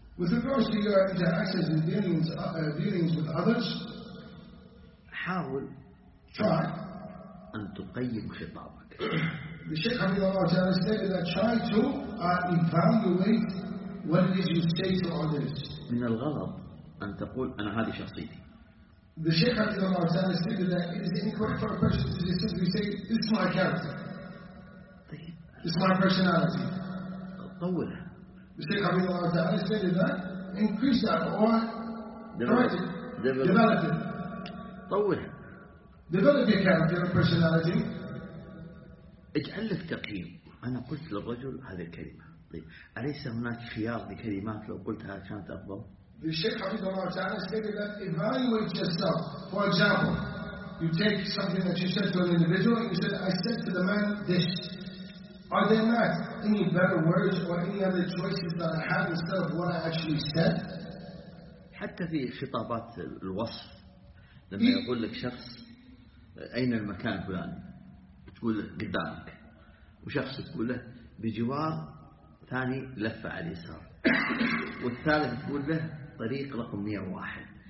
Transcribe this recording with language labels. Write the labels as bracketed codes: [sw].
[en] With regards to your interactions and dealings with others, [ar] حاول. [en] Try. [ar] أن تقيم خطابك. [en] The Shaykh Hafidhullah Ta'ala stated that try to evaluate what it is you say to others. [ar] من الغلط أن تقول أنا هذه شخصيتي. [en] The Shaykh Hafidhullah Ta'ala stated that it is incorrect for a person to simply say it's my character. It's my personality. [ar] طول. [en] The Shaykh Hafidhullah Ta'ala stated that increase that or develop it. [ar] طول. [en] Develop your character and personality. [ar] اجعل لك تقييم. أنا قلت للرجل هذه الكلمة. طيب أليس هناك خيار لكلمات لو قلتها كانت أفضل؟ [en] The Shaykh Hafidhullah Ta'ala stated that evaluate yourself. For example, you take something that you said to an individual and you said, I said to the man this. Are there not any better words or any other choices that I have instead of what I actually said? [ar] حتى في خطابات الوصف لما يقول لك شخص أين المكان فلان؟ تقول قدامك، وشخص تقول له بجوار، ثاني لفة على اليسار، والثالث تقول له طريق رقم 101.